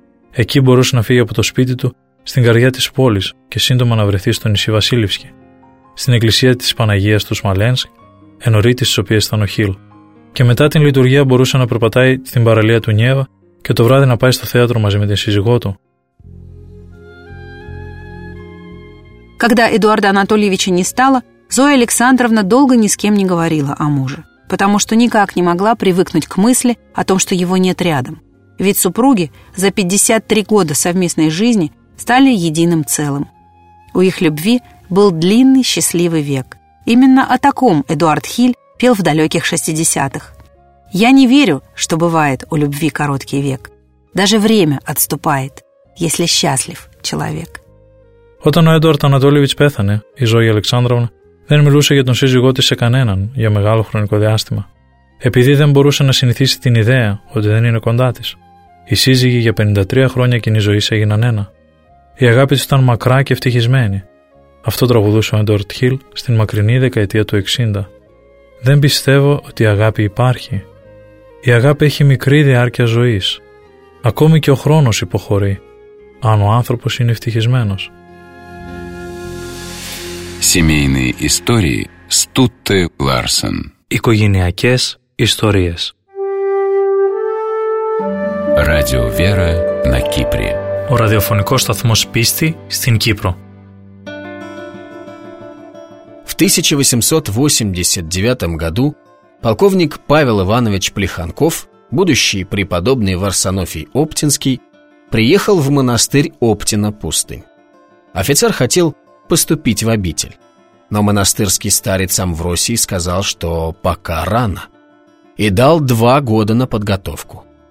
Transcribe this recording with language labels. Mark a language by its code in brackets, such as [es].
[el] Εκεί μπορούσε να φύγει από το σπίτι του στην καρδιά της πόλης και σύντομα να βρεθεί στο νησί Βασίλευσκι, στην εκκλησία της Παναγίας του Σμαλένσκ, ενωρίτης της οποίας ήταν ο Χιλ. Και μετά την λειτουργία μπορούσε να περπατάει στην παραλία του Νιέβα και το βράδυ να πάει στο θέατρο μαζί με την σύζυγό του. [ru] Когда Эдуарда Анатольевича не стало, Зоя Александровна долго ни с кем не говорила о муже, потому что никак не могла привыкнуть к мысли о том, что его нет рядом. Ведь супруги за 53 года совместной жизни стали единым целым. У их любви был длинный счастливый век. Именно о таком Эдуард Хиль пел в далеких 60-х. «Я не верю, что бывает у любви короткий век. Даже время отступает, если счастлив человек». [el] Όταν ο Έντουαρντ Ανατόλιεβιτς πέθανε, η Ζόγια Αλεξάνδροβνα δεν μιλούσε για τον σύζυγό της σε κανέναν για μεγάλο χρονικό διάστημα, επειδή δεν μπορούσε να συνηθίσει την ιδέα ότι δεν είναι κοντά της. Οι σύζυγοι για 53 χρόνια κοινή ζωής έγιναν ένα. Η αγάπη της ήταν μακρά και ευτυχισμένη. Αυτό τραγουδούσε ο Έντουαρντ Χιλ στην μακρινή δεκαετία του 60. «Δεν πιστεύω ότι η αγάπη υπάρχει. Η αγάπη έχει μικρή διάρκεια ζωής. Ακόμη και ο χρόνος υποχωρεί, αν ο άνθρωπος είναι ευτυχισμένος». [ru] Семейные истории Стутте Ларсен. [el] Οικογενειακές ιστορίες. [ru] Radio Vera на Кипре. [el] Ο ραδιοφωνικός σταθμός πίστη στην Κύπρο. [ru] В 1889 году полковник Павел Иванович Плеханков, будущий преподобный в Арсенофий Оптинский, приехал в монастырь Оптина-Пустынь. Офицер хотел поступить в обитель. Но монастырский старец Амвросий сказал, что пока рано, и дал 2 года на подготовку.